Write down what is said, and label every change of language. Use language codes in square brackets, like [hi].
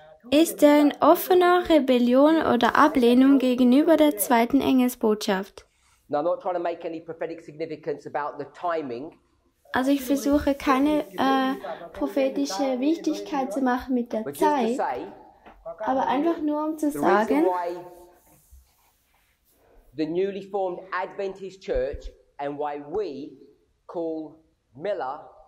[de] Ist er in offener Rebellion oder Ablehnung gegenüber der zweiten Engelsbotschaft? [en] Now, I'm not trying to make any prophetic significance about the timing. [de] Also ich versuche keine prophetische Wichtigkeit zu machen mit der Zeit, aber einfach nur um zu sagen, [en] the newly formed Adventist Church and why we call Miller.